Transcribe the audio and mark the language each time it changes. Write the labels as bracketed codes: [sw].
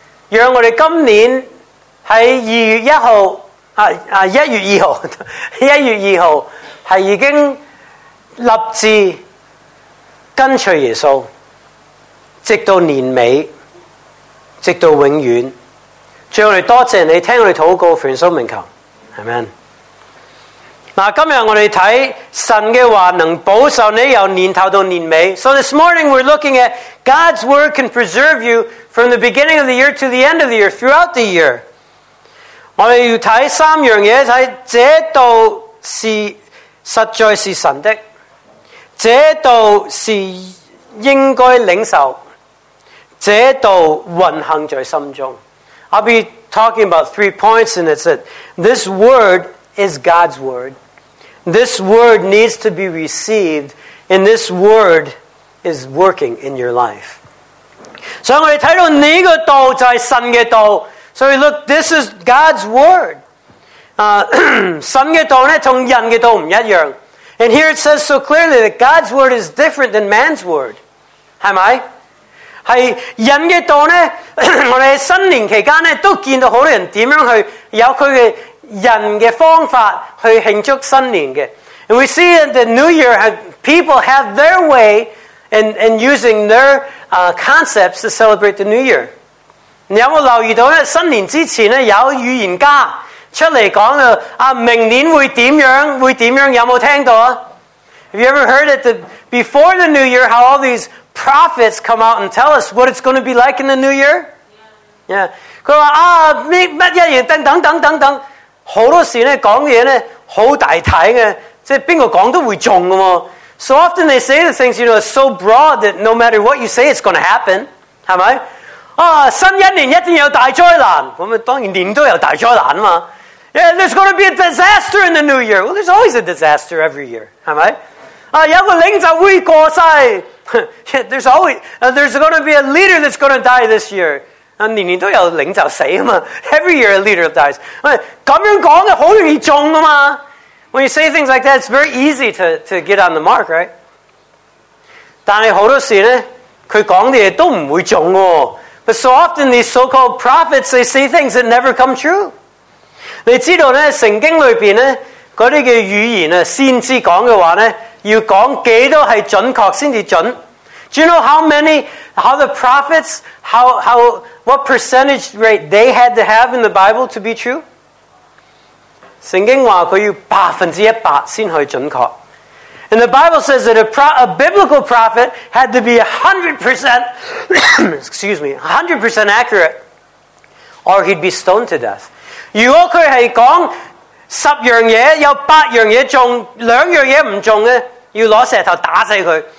[yue] 让我们今年在1月2号是已经立志跟随耶稣，直到年尾，直到永远。最后来多谢你听我们祷告，奉主名求， Amen。今天我们看神的话能保守你由年头到年尾。 [en] So this morning we're looking at God's word can preserve you from the beginning of the year to the end of the year, throughout the year. [yue] 我们要看三样东西，这道是实在是神的，这道是应该领受，这道运行在心中。 [en] I'll be talking about three points, and it's that this word is God's word. This word needs to be received, and this word is working in your life. So we look, this is God's word. [yue] 神的道呢，同人的道不一样。 [en] And here it says so clearly that God's word is different than man's word. [yue] 是吗？是人的道呢，我们在新年期间呢，都见到很多人怎样去有他的人的方法去庆祝新年的。 [en] And we see in the new year, people have their way in using their concepts to celebrate the new year. [yue] 你有没有留意到呢，新年之前呢，有预言家出来讲了，啊，明年会怎样，会怎样，有没有听到？ [en] Have you ever heard it before the new year, how all these prophets come out and tell us what it's going to be like in the new year? Yeah. [yue] 他说，啊，什么一样，等等等等，好多事呢，讲的呢，好大体的，即是谁讲都会中的嘛。 [en] So often they say the things, you know, so broad that no matter what you say, it's going to happen. [yue] 是吗？啊，新一年一定有大灾难，咁啊，当然年都有大灾难嘛。 [en] Yeah, there's going to be a disaster in the new year. Well, there's always a disaster every year, am I? [yue] 啊，有个领袖会过世。 [en] There's always there's going to be a leader that's going to die this year. [yue] 啊，年年都有领袖死嘛。 [en] Every year a leader dies. [yue] 咁样讲嘅好容易中嘛。 [en] When you say things like that, it's very easy to get on the mark, right? [yue] 但系好多时呢，佢讲嘅嘢都唔会中哦。 [en] But so often these so-called prophets, they say things that never come true. [yue] 你知道呢，圣经里面呢，那些的语言先知讲的话呢，要讲几多是准确先至准。 [en] Do you know how the prophets, what percentage rate they had to have in the Bible to be true? [yue] 圣经话他要100%先去准确。 [en] And the Bible says that a biblical prophet had to be 100%, excuse me, 100% accurate, or he'd be stoned to death. [yue] 如果佢系讲十样嘢有八样嘢中，两样嘢唔中咧，要攞石头打死佢。